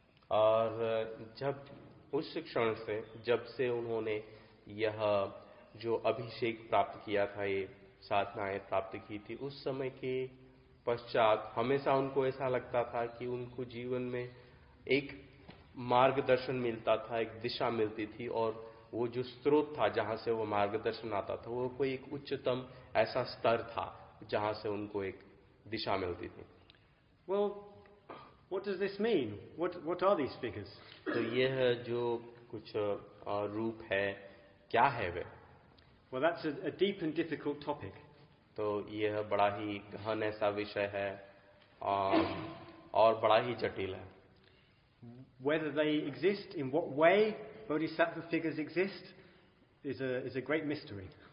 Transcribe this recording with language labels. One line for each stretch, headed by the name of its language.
Hindi: और जब उस क्षण से जब से उन्होंने यह जो अभिषेक प्राप्त किया था ये साधनाएं प्राप्त की थी उस समय के पश्चात हमेशा उनको ऐसा लगता था कि उनको जीवन में एक मार्गदर्शन मिलता था, एक दिशा मिलती थी और वो जो स्रोत था जहां से वो मार्गदर्शन आता था वो कोई एक उच्चतम ऐसा स्तर था जहां से उनको एक दिशा मिलती थी.
English: Well, what does this mean? What are these figures?
Hindi: तो यह जो कुछ रूप है क्या है वे?
English: Well, that's a deep and difficult topic.
Hindi: तो यह बड़ा ही गहन ऐसा विषय है और बड़ा ही जटिल है.
English: Whether they exist, in what way bodhisattva figures exist, is a great mystery.